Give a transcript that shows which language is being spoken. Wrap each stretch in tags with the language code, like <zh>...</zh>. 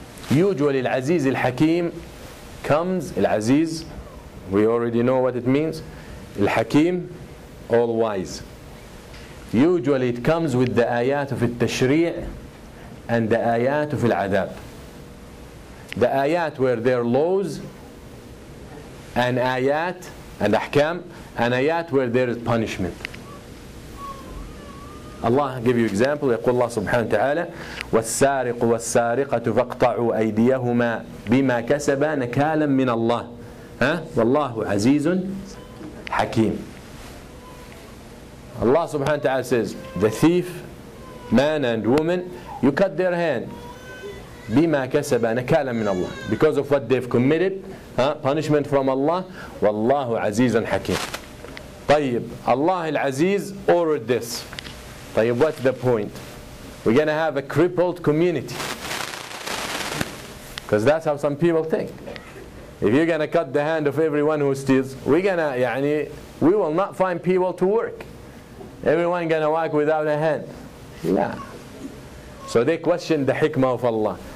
<en>usually</en> <ar>العزيز الحكيم</ar> <en>comes العزيز we already know what it means الحكيم all wise usually it comes with the</en> <ar>آيات في التشريع</ar> <en>and the</en> <ar>آيات في العذاب</ar> <en>the آيات where there are laws and آيات and أحكام and آيات where there is punishment Allah give you example.</en> <ar>يقول الله سبحانه وتعالى والسارق والسارقة فاقطعوا أيديهما بما كسبا نكالا من الله ها والله عزيز حكيم</ar> <en>Allah</en> <ar>سبحانه وتعالى</ar> <en>says the thief man and woman you cut their hand</en> <ar>بما كسبا نكالا من الله</ar> <en>because of what they've committed punishment from Allah</en> <ar>والله عزيز حكيم طيب الله العزيز</ar> <en>ordered this طيب what's the point? We're gonna have a crippled community. Because that's how some people think. If you're gonna cut the hand of everyone who steals, we're gonna يعني, we will not find people to work. Everyone gonna walk without a hand. Yeah. So they question the hikmah of Allah.</en>